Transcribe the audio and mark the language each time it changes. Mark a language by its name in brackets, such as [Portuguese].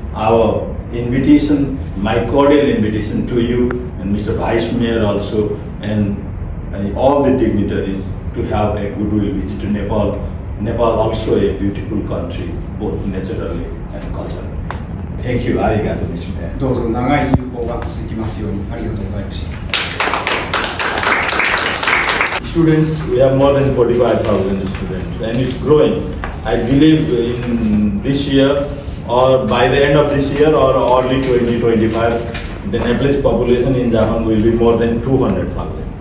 [English] Our invitation, my cordial invitation to you and Mr. Vice Mayor also, and all the dignitaries to have a goodwill visit to Nepal. Nepal also a beautiful country, both naturally and culturally. Thank you. Arigato, Mr. Mayor. [Japanese] どうぞ長い友好が続きますように。ありがとうございました。 [English] Students, we have more than 45,000 students, and it's growing. I believe in this year, or by the end of this year, or early 2025, the Nepalese population in Japan will be more than 200,000.